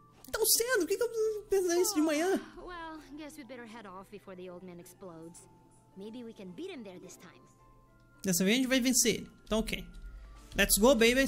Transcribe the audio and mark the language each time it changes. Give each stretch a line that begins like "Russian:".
Portuguese: Tão cedo, o que eu pensei isso de manhã?
English: Well, guess we better head off before the old man explodes. Maybe we can beat him there this time.
Portuguese: Dessa vez a gente vai vencer ele. Então, ok.
English: Let's go, baby.